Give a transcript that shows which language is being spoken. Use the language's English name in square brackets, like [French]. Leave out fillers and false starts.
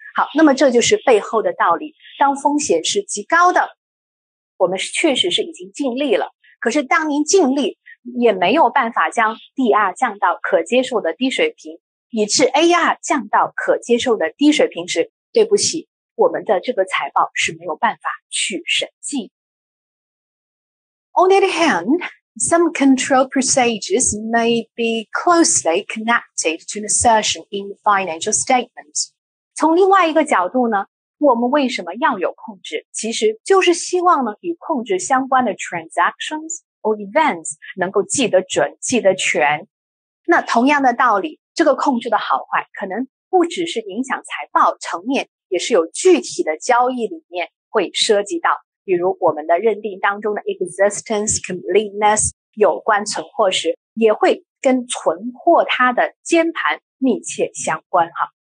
[Chinese] 好，那么这就是背后的道理，当风险是极高的，我们确实是已经尽力了，可是当您尽力也没有办法将 DR 降到可接受的低水平，以致 AR 降到可接受的低水平时，对不起，我们的这个财报是没有办法去审计。 [English] On the other hand, some control procedures may be closely connected to an assertion in the financial statements. [Chinese] 从另外一个角度呢，我们为什么要有控制？其实就是希望呢，与控制相关的 [English] transactions or events [Chinese] 能够记得准、记得全。那同样的道理，这个控制的好坏可能不只是影响财报层面，也是有具体的交易里面会涉及到，比如我们的认定当中的 existence, completeness 有关存货时，也会跟存货它的监盘密切相关哈。